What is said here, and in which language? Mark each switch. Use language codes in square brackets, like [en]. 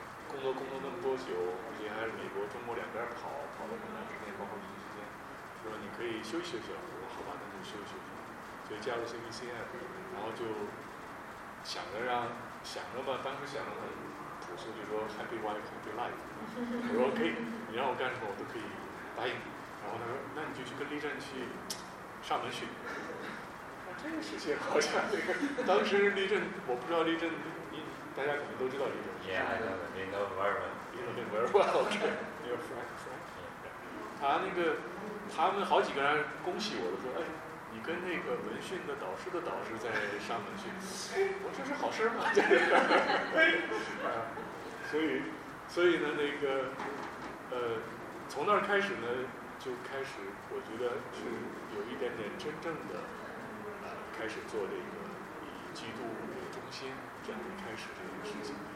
[zh] 工作那么多久，而且还是美国、中国两边跑了很长时间，包括一年时间，说你可以休息休息，我说好吧，那就休息休息，所以加入 CBCM， 然后就想着吧，当时想的很朴素，就说 [en] Happy Wife Happy Life， [zh] 我说 OK， 你让我干什么我都可以答应，然后他说那你就去跟立正去上门去，这个事情好像当时立正，我不知道立正。大家可能都知道这种。 [en] Yeah, I know. They know very well. You know them very well. Okay. You're Frank. [zh] 啊，那个他们好几个人恭喜我说，哎，你跟那个文训的导师的导师在上文训，我说是好事吗？啊，所以呢，那个从那儿开始呢，就开始我觉得是有一点点真正的开始做这个以基督为中心这样的开始这件事情。